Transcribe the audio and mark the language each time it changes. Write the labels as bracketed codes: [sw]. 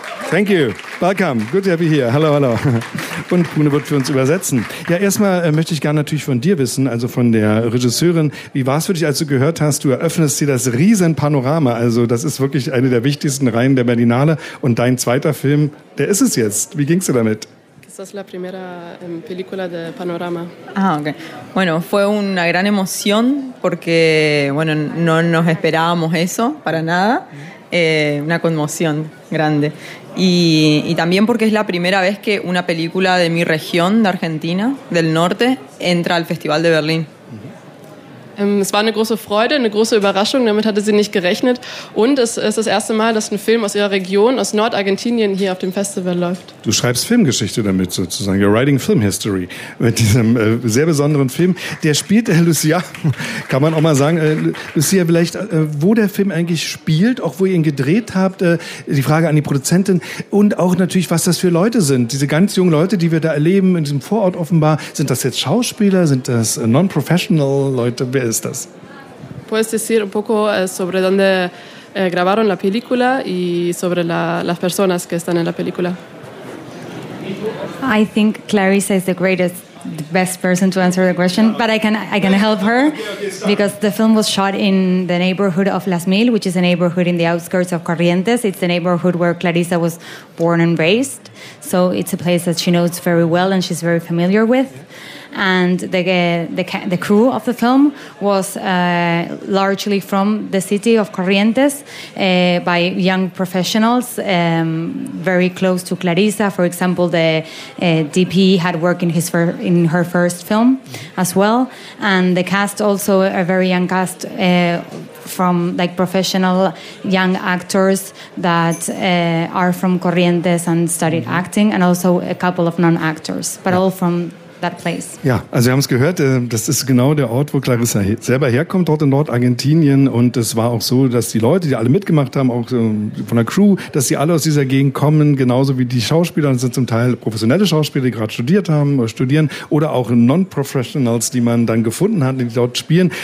[en] Thank you. Welcome. Good to have you here. [de] Hallo, hallo. Und Kuhne wird für uns übersetzen. Ja, erstmal möchte ich gerne natürlich von dir wissen, also von der Regisseurin. Wie war es für dich, als du gehört hast, du eröffnest dir das riesen Panorama? Also das ist wirklich eine der wichtigsten Reihen der Berlinale. Und dein zweiter Film, der ist es jetzt. Wie ging's dir damit? [es] Esta es la primera película de Panorama. Ah, okay. Bueno, fue una gran emoción porque, bueno, no nos esperábamos eso para nada. Una conmoción grande. Y también porque es la primera vez que una película de mi región, de Argentina, del norte, entra al Festival de Berlín. [de] Es war eine große Freude, eine große Überraschung, damit hatte sie nicht gerechnet. Und es ist das erste Mal, dass ein Film aus ihrer Region, aus Nordargentinien, hier auf dem Festival läuft. Du schreibst Filmgeschichte damit sozusagen, [en] you're writing film history, [de] mit diesem sehr besonderen Film. Der spielt, Lucia, kann man auch mal sagen, Lucia, vielleicht, wo der Film eigentlich spielt, auch wo ihr ihn gedreht habt, die Frage an die Produzentin und auch natürlich, was das für Leute sind. Diese ganz jungen Leute, die wir da erleben, in diesem Vorort offenbar, sind das jetzt Schauspieler, sind das Non-Professional-Leute? [es] ¿Puedes decir un poco sobre dónde grabaron la película y sobre las personas que están en la película? [en] I think Clarissa is the best person to answer the question, but I can help her because the film was shot in the neighborhood of Las Mil, which is a neighborhood in the outskirts of Corrientes. It's the neighborhood where Clarissa was born and raised, so it's a place that she knows very well and she's very familiar with. And the crew of the film was largely from the city of Corrientes, by young professionals, very close to Clarissa. For example, the DP had worked in her first film as well, and the cast also a very young cast, from like professional young actors that are from Corrientes and studied acting, and also a couple of non-actors, but all from that place. [de] Ja, also wir haben es gehört, das ist genau der Ort, wo Clarissa selber herkommt, dort in Nordargentinien. Und es war auch so, dass die Leute, die alle mitgemacht haben, auch von der Crew, dass sie alle aus dieser Gegend kommen, genauso wie die Schauspieler. Das sind zum Teil professionelle Schauspieler, die gerade studiert haben oder studieren, oder auch Non-Professionals, die man dann gefunden hat, die dort spielen.